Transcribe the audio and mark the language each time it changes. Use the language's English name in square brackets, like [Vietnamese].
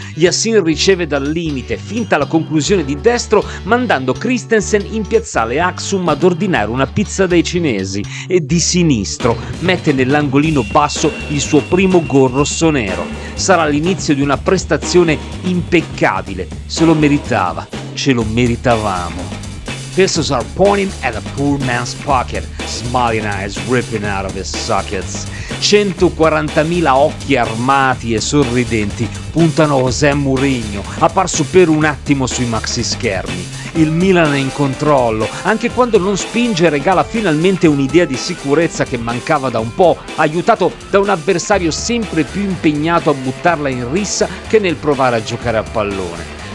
[Italian] Yassin riceve dal limite, finta la conclusione di destro, mandando Christensen in piazzale Aksum ad ordinare una pizza dai cinesi e di sinistro mette nell'angolino basso il suo primo gol rossonero. Sarà l'inizio di una prestazione impeccabile, se lo meritava, ce lo meritavamo. [English] Pistols are pointing at a poor man's pocket, smiling eyes ripping out of his sockets. [Italian] 140.000 occhi armati e sorridenti puntano José Mourinho, apparso per un attimo sui maxi schermi. Il Milan è in controllo, anche quando non spinge regala finalmente un'idea di sicurezza che mancava da un po', aiutato da un avversario sempre più impegnato a buttarla in rissa che nel provare a giocare a pallone.